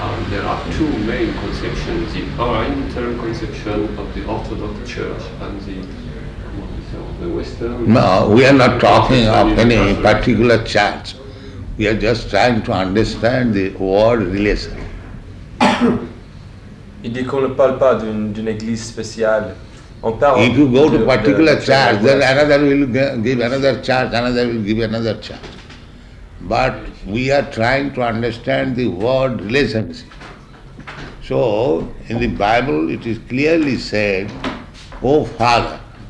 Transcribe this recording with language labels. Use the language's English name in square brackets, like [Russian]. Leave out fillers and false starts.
[English] There are two main conceptions, the oriental conception of the Orthodox Church and the Western. No, we are not talking of any particular church. We are just trying to understand the word relation. [French] Il dit qu'on ne parle pas d'une église spéciale. On parle. [English] If you go to a particular church, then another will give another church, another will give another church. But we are trying to understand the word relationship. So, in the Bible, it is clearly said, O Father.